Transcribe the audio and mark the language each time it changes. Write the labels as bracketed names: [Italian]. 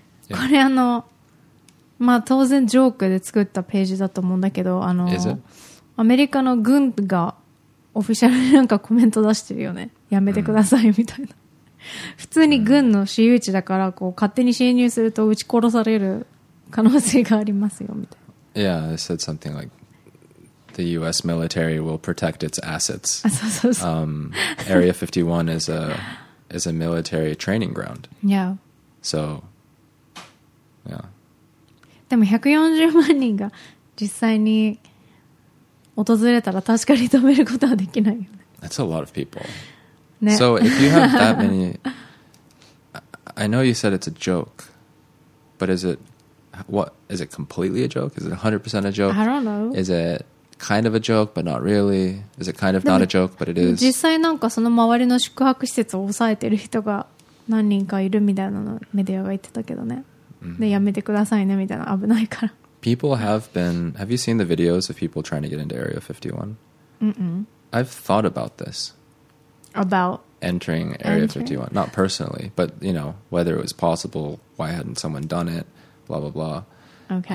[Japanese] これまあ当然ジョークで作ったページだと思うんだけど、アメリカの軍がオフィシャルになんかコメント出してるよね。やめてくださいみたいな。普通に軍の私有地だからこう勝手に侵入すると撃ち殺される可能性がありますよみたいな。 [English] Yeah, I said something like the U.S. military will protect its assets. [Japanese] そうそうそう。 [English] Area 51 is a military training ground. Yeah. So, yeah. [Japanese] でも140万人が実際に訪れたら確かに止めることはできないよね。 [English] That's a lot of people.、ね、so if you have that many, I know you said it's a joke, but is it completely a joke? Is it 100% a joke? I don't know. Is it kind of a joke, but not really? Is it kind of not a joke, but it is? [Japanese] 実際なんかその周りの宿泊施設を抑えてる人が何人かいるみたいなのメディアが言ってたけどね。 Mm-hmm. でやめてくださいねみたいな危ないから。 [English] People have been... Have you seen the videos of people trying to get into Area 51? Mm-mm. I've thought about this. About? Entering Area 51. Not personally, but, you know, whether it was possible, why hadn't someone done it, blah, blah, blah. Okay.